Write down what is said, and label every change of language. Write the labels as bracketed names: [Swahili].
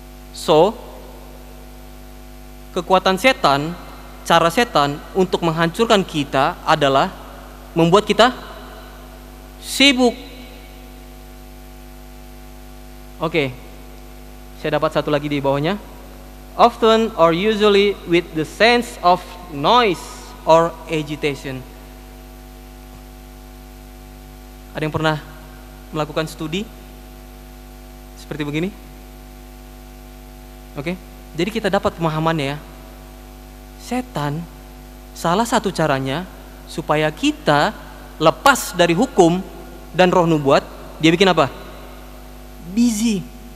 [Indonesian] So, kekuatan setan, cara setan untuk menghancurkan kita adalah membuat kita sibuk. Oke. Saya dapat satu lagi di bawahnya. [English] Often or usually with the sense of noise or agitation. [Indonesian] Ada yang pernah melakukan studi seperti begini? Oke. Jadi kita dapat pemahamannya ya. Setan salah satu caranya supaya kita lepas dari hukum dan roh nubuat, dia bikin apa? Busy.